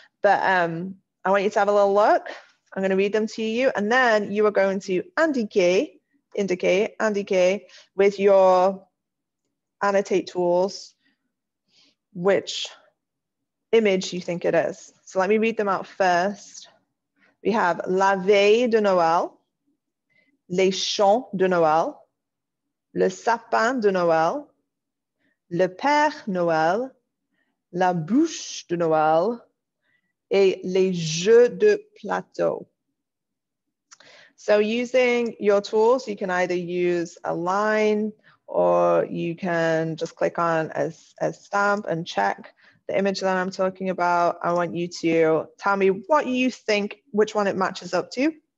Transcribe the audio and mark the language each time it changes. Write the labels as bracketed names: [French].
[English] But I want you to have a little look. I'm going to read them to you, and then you are going to indicate with your annotate tools which image you think it is. So let me read them out first. [French] We have la veille de Noël, les champs de Noël, le sapin de Noël, le père Noël, la bouche de Noël, et les jeux de plateau. [English] So using your tools, you can either use a line or you can just click on a stamp and check the image that I'm talking about. I want you to tell me what you think, which one it matches up to.